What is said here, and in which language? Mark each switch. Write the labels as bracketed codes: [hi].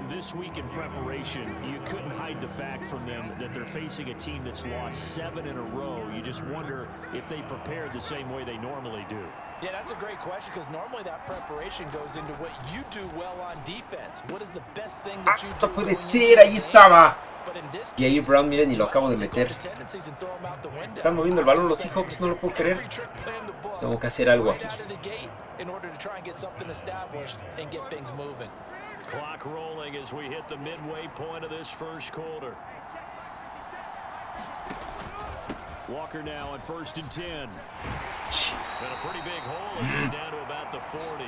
[en] This week in preparation, you couldn't hide the fact from them that they're facing a team that's lost seven in a row. You just wonder if they prepared the same way they normally do. Yeah, that's a great question, because normally that preparation goes into what you do well on defense. What is the best thing that you do? [es] Puede ser, ahí estaba. Y ahí Brown, miren, y lo acabo de meter. Están moviendo el balón los Seahawks, no lo puedo creer. Tengo que hacer algo aquí. [en] In order to try and get something established and get things moving. Clock rolling as we hit the midway point of this first quarter. Walker now at first and 10. Got a pretty big hole as he's down to about the 40.